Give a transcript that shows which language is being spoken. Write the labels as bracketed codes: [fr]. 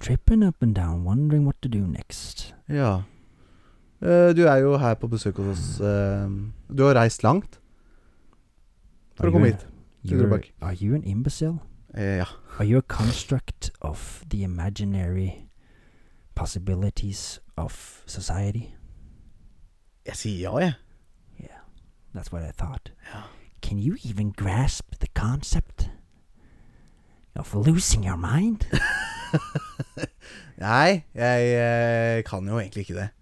[en] Tripping up and down, wondering what to do next. [no] Ja, du er jo her på besøk hos oss. Du har reist langt for å komme hit. [en] Are you an imbecile? [no] Ja. [en] Are you a construct of the imaginary possibilities of society? [no] Jeg sier ja, ja. [en] Yeah, that's what I thought. [no] Ja. [en] Can you even grasp the concept of losing your mind? [no] Nei, jeg kan jo egentlig ikke det.